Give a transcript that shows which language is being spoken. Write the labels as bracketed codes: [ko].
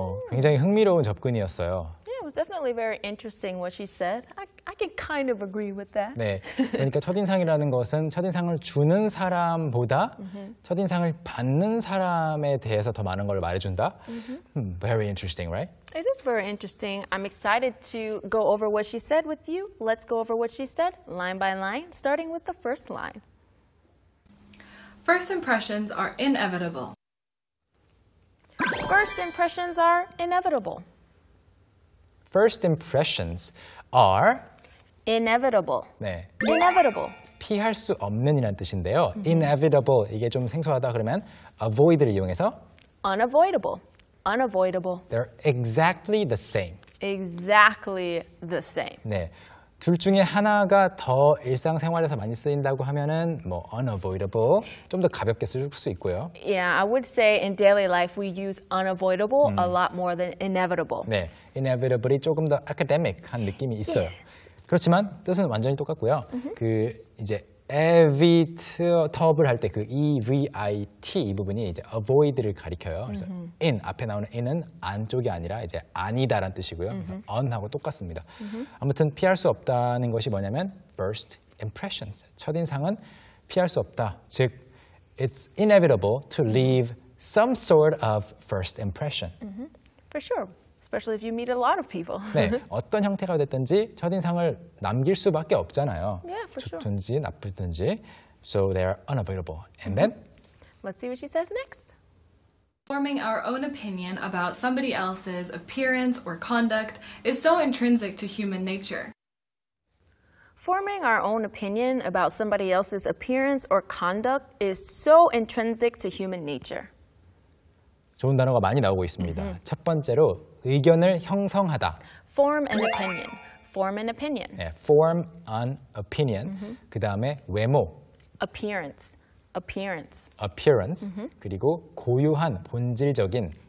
[ko] 굉장히 흥미로운 접근이었어요. [en] Yeah, it was definitely very interesting what she said. I can kind of agree with that. [ko] 네, 그러니까 첫인상이라는 것은 첫인상을 주는 사람보다 첫인상을 받는 사람에 대해서 더 많은 걸 말해준다? [en] Very interesting, right? It is very interesting. I'm excited to go over what she said with you. Let's go over what she said line by line, starting with the first line. First impressions are inevitable. First impressions are inevitable. First impressions are inevitable. [ko] 네. [en] Inevitable. [ko] 피할 수 없는이란 뜻인데요. Mm-hmm. Inevitable. 이게 좀 생소하다 그러면 avoid를 이용해서 [en] unavoidable. Unavoidable. They're exactly the same. Exactly the same. [ko] 네. 둘 중에 하나가 더 일상생활에서 많이 쓰인다고 하면은 뭐 unavoidable 좀 더 가볍게 쓸 수 있고요. [en] Yeah, I would say in daily life we use unavoidable a lot more than inevitable. [ko] 네, inevitable이 조금 더 academic한 느낌이 있어요. [en] Yeah. [ko] 그렇지만 뜻은 완전히 똑같고요. Mm-hmm. 그 이제 evitable 할 때 그 E-V-I-T 이 부분이 이제 avoid를 가리켜요. 그래서 mm-hmm. in 앞에 나오는 in은 안쪽이 아니라 이제 아니다라는 뜻이고요. Mm-hmm. 그래서 on하고 똑같습니다. Mm-hmm. 아무튼 피할 수 없다는 것이 뭐냐면 first impressions, 첫인상은 피할 수 없다. 즉, [en] it's inevitable to leave some sort of first impression. Mm-hmm. For sure. Especially if you meet a lot of people. [ko] 네, 어떤 형태가 됐든지 첫인상을 남길 수밖에 없잖아요. [en] Yeah, for sure. [ko] 좋든지 나쁘든지. [en] So they are unavoidable. And mm-hmm. then? Let's see what she says next. Forming our own opinion about somebody else's appearance or conduct is so intrinsic to human nature. Forming our own opinion about somebody else's appearance or conduct is so intrinsic to human nature. [ko] 좋은 단어가 많이 나오고 있습니다. Mm-hmm. 첫 번째로 의견을 형성하다. [en] Form an opinion. Form an opinion. [ko] 네, [en] form an opinion. [ko] Mm-hmm. 그 다음에 외모. [en] Appearance. Appearance. Appearance. Mm-hmm. [ko] 그리고 고유한, 본질적인.